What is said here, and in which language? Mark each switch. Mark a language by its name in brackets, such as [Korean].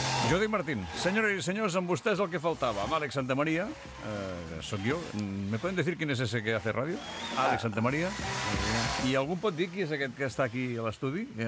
[Catalan] Jordi Martín, [Spanish] señores y señores, [Catalan] amb vostès el que faltava. Amb Àlex Santamaría, soc jo. [Spanish] ¿Me pueden decir quién es ese que hace radio? [Catalan] Àlex Santamaría. I algú pot dir qui és aquest que està aquí a l'estudi?